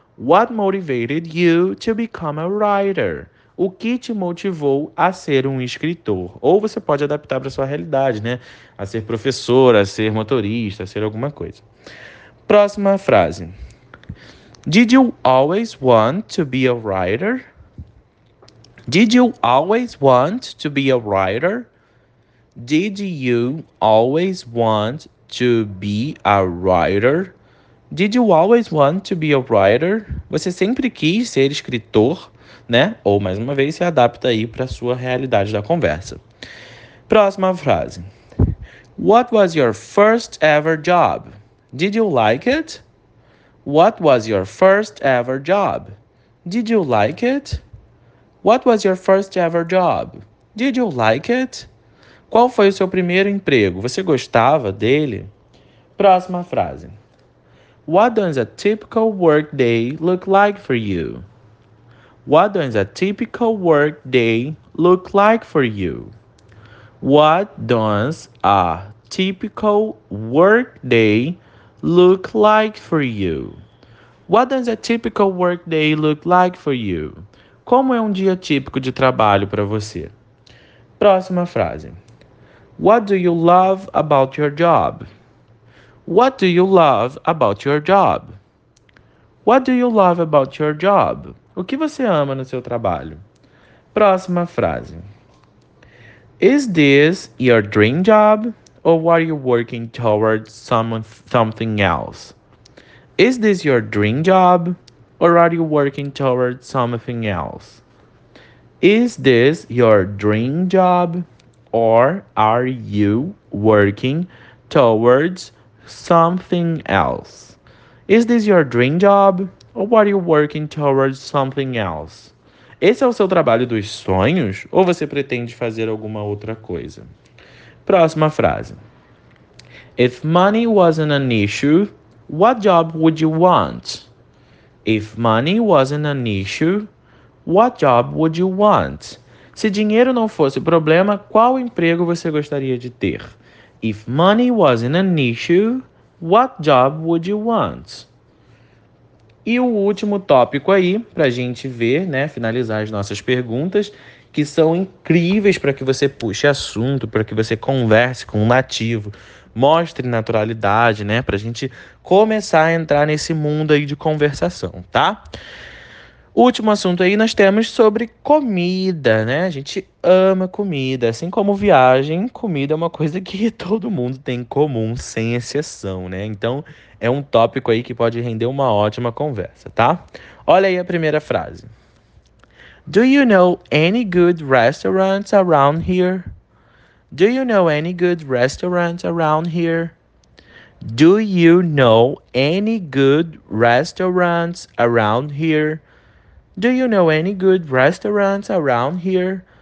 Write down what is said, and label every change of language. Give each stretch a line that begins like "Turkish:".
English: What motivated you to become a writer?
Portuguese: O que te motivou a ser um escritor? Ou você pode adaptar para sua realidade, né? A ser professor, a ser motorista, a ser alguma coisa. Próxima frase.
English: Did you always want to be a writer? Did you always want to be a writer? Did you always want to be a writer? Did you always want to be a writer?
Portuguese: Você sempre quis ser escritor, né? Ou, mais uma vez, se adapta aí para a sua realidade da conversa. Próxima frase.
English: What was your first ever job? Did you like it? What was your first ever job? Did you like it? What was your first ever job? Did you like it?
Portuguese: Qual foi o seu primeiro emprego? Você gostava dele? Próxima frase.
English: What does a typical work day look like for you? What does a typical work day look like for you? What does a typical work day look like for you? What does a typical work day look like for you?
Portuguese: Como é um dia típico de trabalho para você? Próxima frase.
English: What do you love about your job? What do you love about your job? What do you love about your job?
Portuguese: O que você ama no seu trabalho? Próxima frase.
English: Is this your dream job or are you working towards something else? Is this your dream job or are you working towards something else? Is this your dream job or are you working towards something else? Is this your dream job or are you working towards something else?
Portuguese: Esse é o seu trabalho dos sonhos ou você pretende fazer alguma outra coisa? Próxima frase.
English: If money wasn't an issue, what job would you want? If money wasn't an issue, what job would you want?
Portuguese: Se dinheiro não fosse problema, qual emprego você gostaria de ter?
English: If money wasn't an issue, what job would you want?
Portuguese: E o último tópico aí, para a gente ver, né, finalizar as nossas perguntas, que são incríveis para que você puxe assunto, para que você converse com um nativo, mostre naturalidade, né, para a gente começar a entrar nesse mundo aí de conversação, tá? Último assunto aí, nós temos sobre comida, né? A gente ama comida, assim como viagem, comida é uma coisa que todo mundo tem em comum, sem exceção, né? Então, é um tópico aí que pode render uma ótima conversa, tá? Olha aí a primeira frase.
English: Do you know any good restaurants around here? Do you know any good restaurants around here? Do you know any good restaurants around here? Do you know any good restaurants around here?